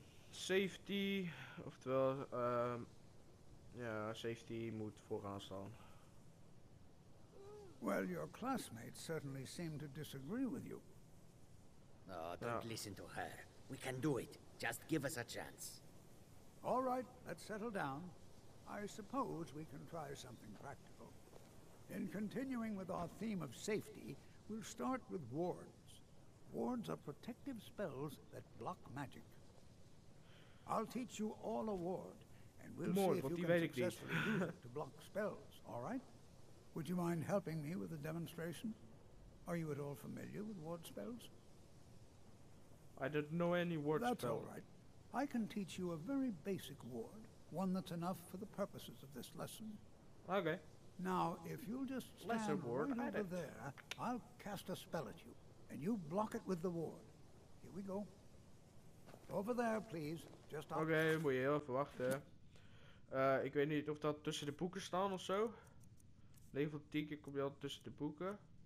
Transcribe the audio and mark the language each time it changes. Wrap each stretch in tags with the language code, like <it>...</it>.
<nl>Safety. Oftewel. Ja, safety moet vooraan staan.</nl> <en>Well, your classmates certainly seem to disagree with you. Oh, don't listen to her. We can do it. Just give us a chance. All right, let's settle down. I suppose we can try something practical. In continuing with our theme of safety, we'll start with wards. Wards are protective spells that block magic. I'll teach you all a ward, and we'll see if you can successfully use it to block spells, all right? Would you mind helping me with a demonstration? Are you at all familiar with ward spells? I don't know any ward spells. That's all right. I can teach you a very basic ward, one that's enough for the purposes of this lesson. Okay. Now, if you'll just stand right over there, I'll cast a spell at you, and you block it with the ward. Here we go. Over there, please. Just out.</en> <nl>Okay, moet je heel even wachten. Ik weet niet of dat tussen de boeken staan of zo. Level 10 keer kom je al tussen de boeken.</nl>